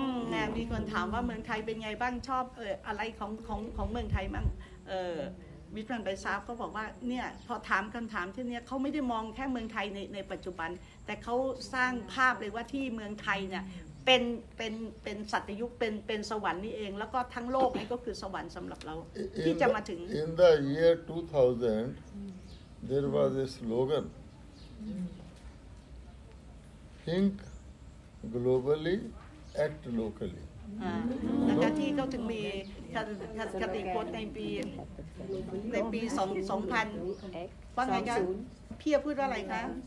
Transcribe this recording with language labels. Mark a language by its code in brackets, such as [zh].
[th] แม่มีคนถามว่าเมืองไทยเป็นไงบ้างชอบอะไรของเมืองไทยบ้างมิตรันไปซาฟก็บอกว่าเนี่ยพอถามคำถามที่เนี่ยเขาไม่ได้มองแค่เมืองไทยในปัจจุบันแต่เขาสร้างภาพเลยว่าที่เมืองไทยเนี่ยเป็นสัตยุคเป็นสวรรค์นี่เองแล้วก็ทั้งโลกนี่ก็คือสวรรค์สำหรับเราที่จะมาถึง [en] In the year 2000 there was a slogan Think globally act locally [th] แล้วก็ที่เขาถึงมีคติโพสต์ในปี2000ว่าไงคะพี่พูดว่าอะไรคะ